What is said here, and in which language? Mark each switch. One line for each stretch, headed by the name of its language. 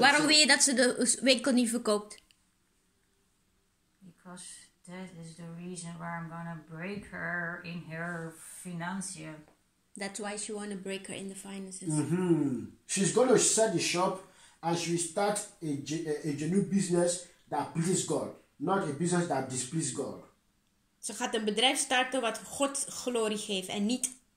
Dutch: Waarom wil je dat ze de winkel niet verkoopt?
English: Because that is the reason why I'm gonna break her in her financial. That's why she wanna break her in the finances. Mm-hmm. She's gonna sell the shop and she start a new business that pleases God, not a business that displeases God.
Dutch: Ze gaat een bedrijf starten wat God glorie geeft en niet.